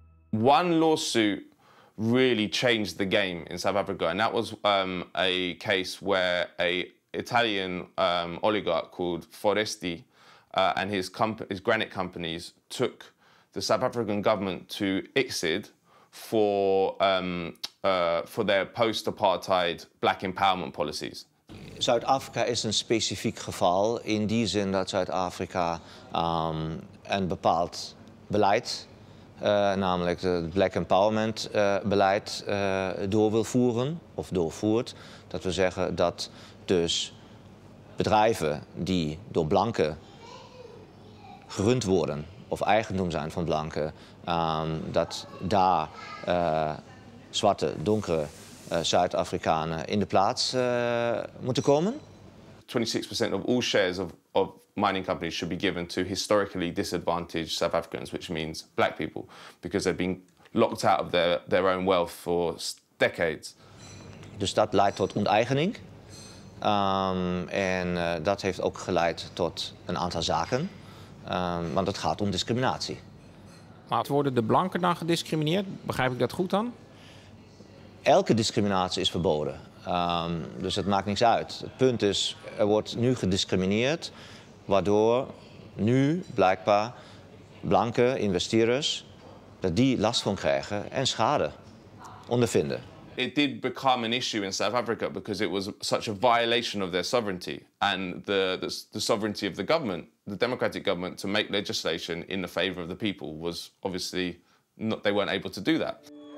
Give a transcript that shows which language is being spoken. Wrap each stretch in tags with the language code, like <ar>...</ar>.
<en>One lawsuit really changed the game in South Africa, and that was a case where an Italian oligarch called Foresti and his granite companies took the South African government to ICSID for for their post-apartheid black empowerment policies.</en> <nl>Zuid-Afrika is een specifiek geval in die zin dat Zuid-Afrika een bepaald beleid, namelijk het black empowerment beleid, door wil voeren of doorvoert. Dat wil zeggen dat dus bedrijven die door blanken gerund worden of eigendom zijn van blanken, dat daar zwarte, donkere Zuid-Afrikanen in de plaats moeten komen.</nl> <en>26% of all shares of mining companies should be given to historically disadvantaged South Africans, which means black people, because they've been locked out of their own wealth for decades.</en> <nl>Dus dat leidt tot onteigening. En dat heeft ook geleid tot een aantal zaken, want het gaat om discriminatie. Maar worden de blanken dan gediscrimineerd? Begrijp ik dat goed dan? Elke discriminatie is verboden, dus het maakt niks uit. Het punt is, er wordt nu gediscrimineerd, waardoor nu blijkbaar blanke investeerders dat die last van krijgen en schade ondervinden.</nl> <en>It did become an issue in South Africa because it was such a violation of their sovereignty and the sovereignty of the government, the democratic government, to make legislation in the favor of the people was obviously not, they weren't able to do that.</en>